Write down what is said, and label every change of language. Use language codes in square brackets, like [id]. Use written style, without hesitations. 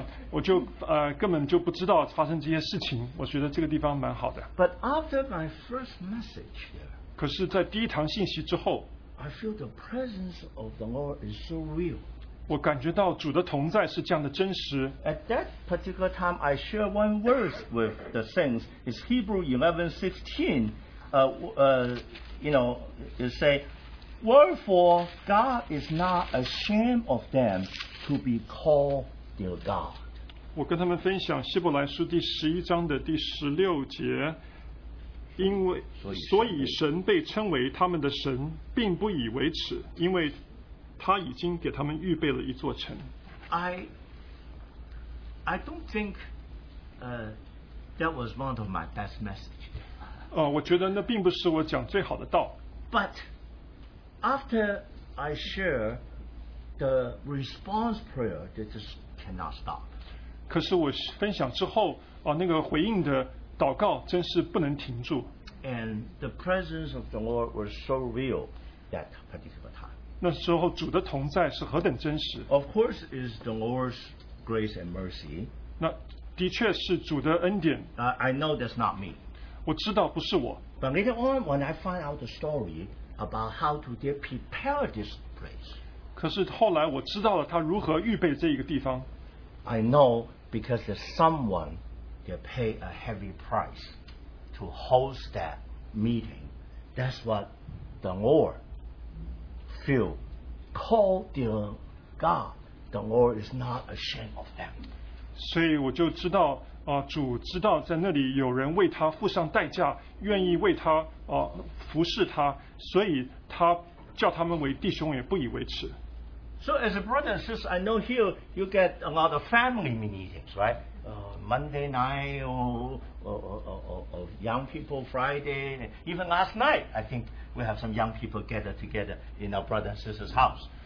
[zh] 我就根本就不知道发生这些事情, 我觉得这个地方蛮好的。 [en] But after my first message here, [zh] 可是在第一堂信息之后, [en] I feel the presence of the Lord is so real. [zh] 我感觉到主的同在是这样的真实。 [en] At that particular time, I share one verse with the saints. It's Hebrews 11:16. It say, wherefore God is not ashamed of them to be called their God. [zh] 我跟他们分享希伯来书第11章的第16节。因为所以神被称为他们的神，并不以为耻， 因为他已经给他们预备了一座城。 [en] I don't think that was one of my best messages. [zh] 我觉得那并不是我讲最好的道。 [en] But after I share the response prayer, they just cannot stop. [zh] 可是我分享之后， 那个回应的祷告真是不能停住。 [en] And the presence of the Lord was so real that particular time. [zh] 那时候主的同在是何等真实。 [en] Of course, is the Lord's grace and mercy. [zh] 那的确是主的恩典。 [en] I know that's not me. [zh] 我知道不是我。 [en] But later on, when I find out the story about how to prepare this place, [zh] 可是后来我知道了他如何预备这一个地方。 [en] I know because there's someone that pay a heavy price to host that meeting. That's what the Lord feel. Call dear God. The Lord is not ashamed of them. [zh] 所以我就知道, 主知道在那里有人为他付上代价, 愿意为他, 服侍他, 所以他叫他们为弟兄也不以为耻。 [en] So as a brother and sister, I know here you get a lot of family meetings, right? Monday night or young people Friday, even last night, I think we have some young people gathered together in our brother and sister's house.